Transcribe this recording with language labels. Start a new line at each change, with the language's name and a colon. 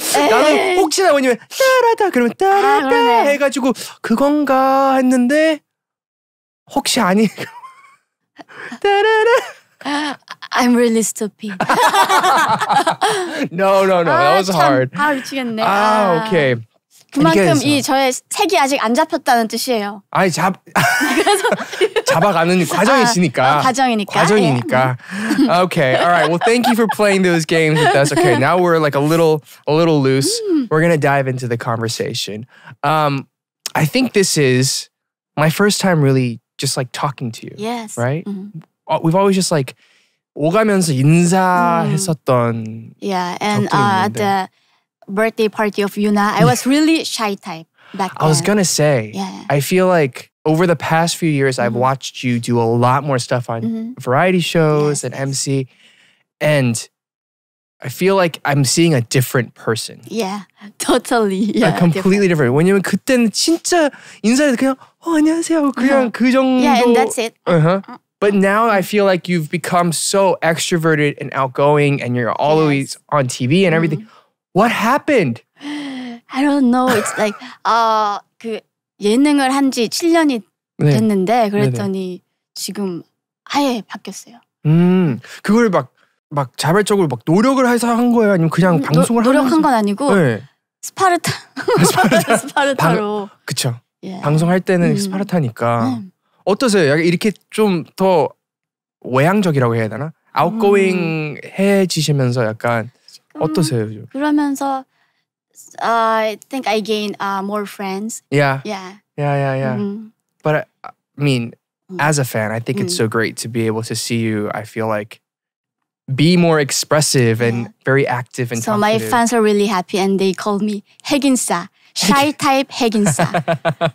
Korean: 나는 혹시나 뭐냐면 따라다 그러면 따라다 아, 해가지고 그건가 했는데 혹시 아니 따라라
English: I'm really stupid. No. That was 아, hard.
Korean: 아 미치겠네. 아 오케이. 그만큼 이 저의 색이 아직 안 잡혔다는 뜻이에요. 아니 잡 잡아가는 과정이시니까. 아, 과정이니까. 예.
English: Okay, all right. Well, thank you for playing those games with us. Okay, now we're like a little loose. We're gonna dive into the conversation. I think this is my first time really just like talking to you. Yes. Right. Mm-hmm. We've always just like
Korean: 오가면서 인사했었던.
English: Yeah, and the. Birthday party of Yuna. I was really shy type back then. I was gonna say. Yeah. I feel like over the past few years, I've watched you do a lot more stuff on variety shows and MC. And I feel like I'm seeing a different person. Yeah. Totally. Yeah, like completely different.
Korean: 왜냐면 그때는 진짜 인사해서 그냥 어 안녕하세요 그냥 그 정도.
English: Yeah, and that's it. Uh-huh. But now I feel like you've become so extroverted and outgoing and you're always on TV and everything. What happened? I don't know. It's like
Korean: 그 예능을 한 지 7년이 됐는데 그랬더니 지금 아예 바뀌었어요. 그걸 막 자발적으로 막 노력을 해서 한 거예요? 아니면 그냥 방송을 노력한 건 아니고 스파르타. 스파르타. 스파르타로. 그쵸. 방송할 때는 스파르타니까. 어떠세요? 약간 이렇게 좀 더 외향적이라고 해야 되나? 아웃고잉 해지시면서 약간 어떠세요? 그러면서
English: I think I gained more friends. Yeah. But I mean, as a fan, I think it's so great to be able to see you. I feel like be more expressive and very active and so talkative. My fans are really happy and they call me Haeginsa. Shy type Haeginsa.